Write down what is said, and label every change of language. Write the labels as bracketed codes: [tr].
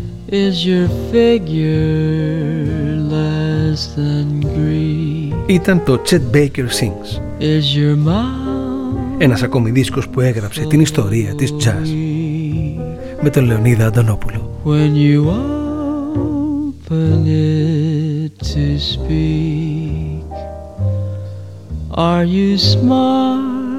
[en] Is your figure less than Greek? [el] Ήταν το Chet Baker Sings. [en] Is your mouth? [el] Ένας ακόμη δίσκος που έγραψε την ιστορία της jazz. Με τον Λεωνίδα Αντωνόπουλο. [en] When you open it to speak, are you smart?